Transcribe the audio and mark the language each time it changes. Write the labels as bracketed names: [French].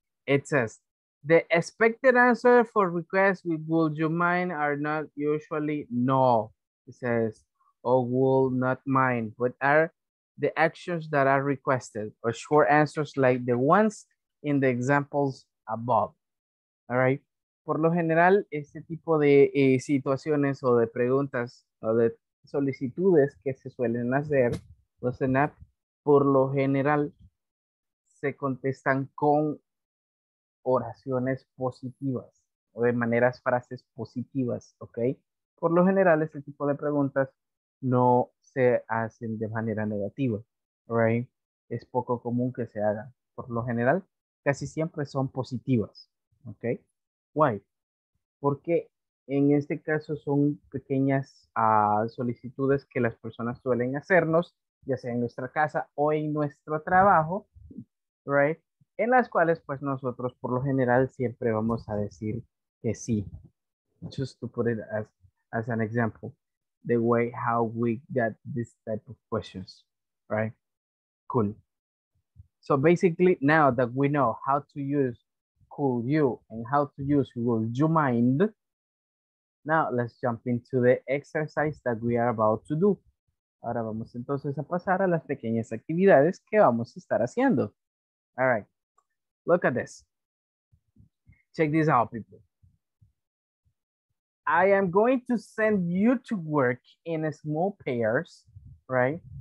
[English] It says, the expected answer for requests with would you mind are not usually no. It says, or will not mind, but are the actions that are requested, or short answers like the ones in the examples above, all right? [Spanish] Por lo general, este tipo de situaciones o de preguntas o de solicitudes que se suelen hacer, los ENAP, por lo general, se contestan con oraciones positivas o de maneras frases positivas, ¿ok? Por lo general, este tipo de preguntas no se hacen de manera negativa, ¿right? Es poco común que se haga. Por lo general, casi siempre son positivas, ¿ok? Why? Porque en este caso son pequeñas solicitudes que las personas suelen hacernos, ya sea en nuestra casa o en nuestro trabajo, right? En las cuales, pues, nosotros por lo general siempre vamos a decir que sí. [English] Just to put it as an example, the way how we get this type of questions, right? Cool. So basically, now that we know how to use could you and how to use would you mind, now let's jump into the exercise that we are about to do. [Spanish] Ahora vamos entonces a pasar a las pequeñas actividades que vamos a estar haciendo. [English] All right, look at this. Check this out, people. I am going to send you to work in small pairs, right?